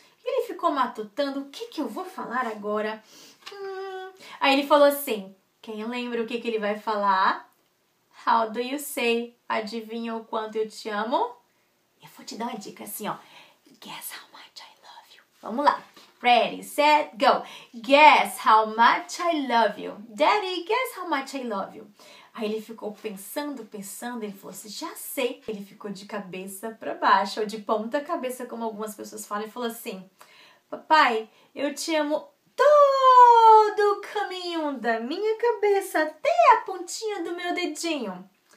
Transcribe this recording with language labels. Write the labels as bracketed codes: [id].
[pt] Ele ficou matutando, o que que eu vou falar agora? Aí ele falou assim, quem lembra o que que ele vai falar? [en] How do you say? [pt] Adivinha o quanto eu te amo? Eu vou te dar uma dica assim, ó. [en] Guess how much I love you. [pt] Vamos lá. [en] Ready, set, go. Guess how much I love you. Daddy, guess how much I love you. [pt] Aí ele ficou pensando, pensando, ele falou assim, já sei. Ele ficou de cabeça pra baixo, ou de ponta cabeça, como algumas pessoas falam, e falou assim, papai, eu te amo todo o caminho da minha cabeça até a pontinha do meu dedinho.